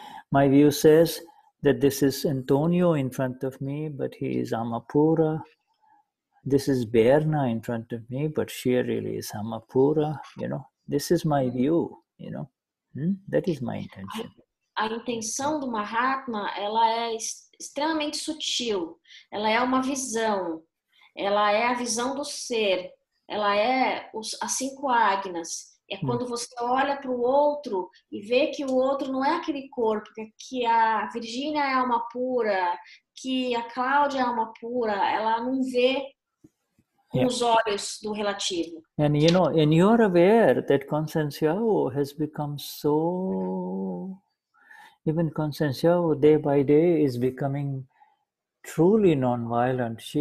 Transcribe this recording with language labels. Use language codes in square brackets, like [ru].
[en] My view says that this is Antonio in front of me, but he is Amapura. This is Berna in front of me, but she really is Amapura. You know, this is my view, you know. That is my intention. [pt] A intenção do Mahatma, ela é extremamente sutil. Ela é uma visão. Ela é a visão do ser. Ela é as cinco agnas. É quando você olha para o outro e vê que o outro não é aquele corpo, que a Virgínia é alma pura, que a Cláudia é alma pura, ela não vê os olhos do relativo. [en] And you know, and you're aware that consensual has become so, even consensual day by day is becoming truly non-violent.